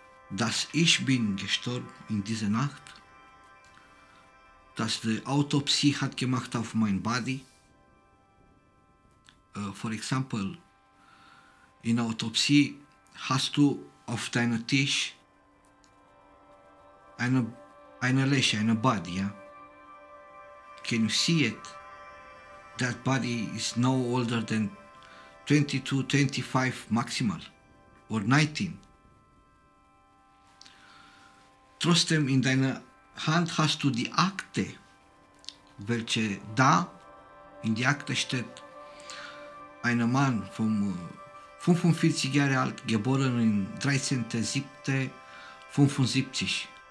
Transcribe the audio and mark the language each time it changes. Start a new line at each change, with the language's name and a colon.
German: Dass ich bin gestorben in dieser Nacht, dass die Autopsie hat gemacht auf mein Body. For example, in Autopsie hast du auf deinem Tisch eine Leiche, eine Body.
English: Yeah? Can you see it? That body is no older than 22, 25 maximal or 19.
German: Trotzdem in deiner Hand hast du die Akte, welche da in die Akte steht, ein Mann von 45 Jahre alt, geboren in 13.07.75.